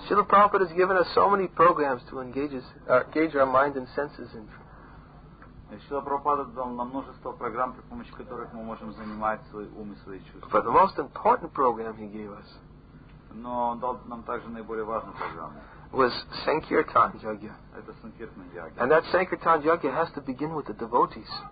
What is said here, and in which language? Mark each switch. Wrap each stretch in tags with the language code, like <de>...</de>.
<en>Srila Prabhupada has given us so many programs to engage our mind and senses in.</en> <ru>Srila Prabhupada дал нам множество программ, при помощи которых мы можем занимать свой ум и свои чувства.</ru> <en>But the most important program he gave us.</en> <ru>Но он дал нам также наиболее важную программу.</ru> <en>Was Sankirtan Yagya.</en> <ru>Это Sankirtan Yagya.</ru> <en>And that Sankirtan Yagya has to begin with the devotees.</en>